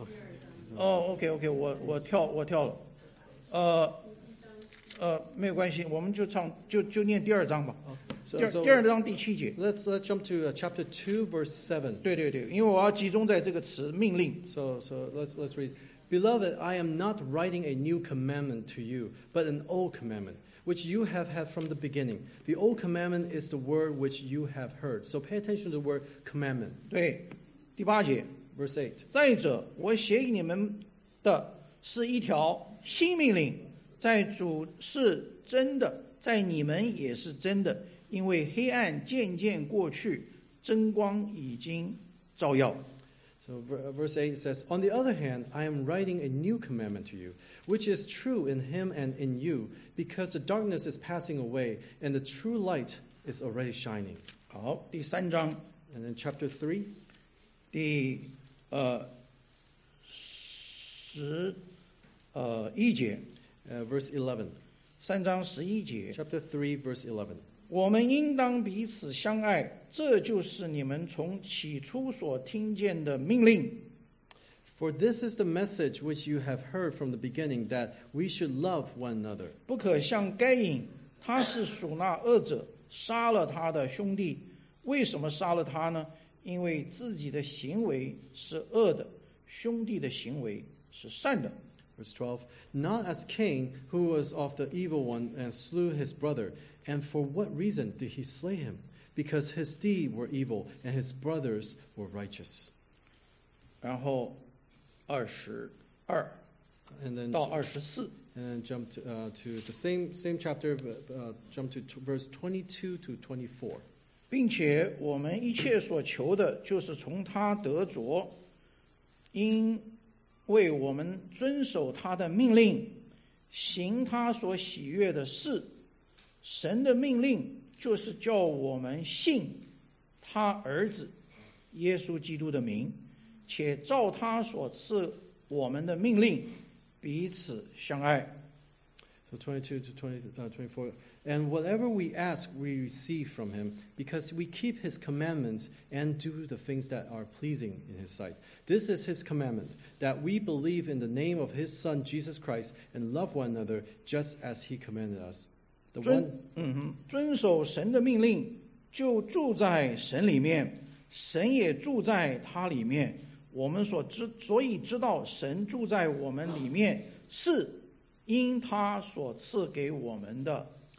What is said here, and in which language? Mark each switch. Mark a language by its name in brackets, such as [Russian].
[English] okay. [Chinese] 哦、oh, ，OK，OK，、okay, okay, 我跳了，没有关系，我们就唱就念第二章吧。 [English] Okay. [Chinese] So, 第二章第七节。 [English] Let's jump to chapter 2 verse 7. [Chinese] 对对对，因为我要集中在这个词命令。 [English] So let's read. Beloved, I am not writing a new commandment to you, but an old commandment which you have had from the beginning. The old commandment is the word which you have heard. So pay attention to the word commandment. [Chinese] 对，第八节。 [English] Verse 8. [Chinese] 再者，我写给你们的是一条新命令，在主是真的，在你们也是真的，因为黑暗渐渐过去，真光已经照耀。 [English] So verse 8 says, On the other hand, I am writing a new commandment to you, which is true in him and in you, because the darkness is passing away, and the true light is already shining. [Chinese] 好，第三章。 [English] And then chapter 3. [Chinese] 第十一节 [English] verse 11 [Chinese] 三章十一节 [English] chapter 3 verse 11 [Chinese] 我们应当彼此相爱这就是你们从起初所听见的命令 [English] for this is the message which you have heard from the beginning that we should love one another [Chinese] 不可像该隐他是属那恶者杀了他的兄弟为什么杀了他呢因为自己的行为是恶的，兄弟的行为是善的。 [English] Verse 12, Not as Cain, who was of the evil one, and slew his brother. And for what reason did he slay him? Because his deeds were evil, and his brothers were righteous. [Chinese] 然后二十二 [English] and then [Chinese] 到二十四 [English] and then jump to the same chapter, jump to verse 22 to 24. [Chinese] 并且我们一切所求的就是从他得着因为我们遵守他的命令行他所喜悦的事神的命令就是叫我们信他儿子耶稣基督的名且照他所赐我们的命令彼此相爱 [English] So 22 to 24And whatever we ask, we receive from him, because we keep his commandments and do the things that are pleasing in his sight. This is his commandment, that we believe in the name of his Son, Jesus Christ, and love one another just as he commanded us. The one, [Chinese] 遵守神的命令就住在神里面，神也住在他里面。我们所以知道神住在我们里面，是因他所赐给我们的。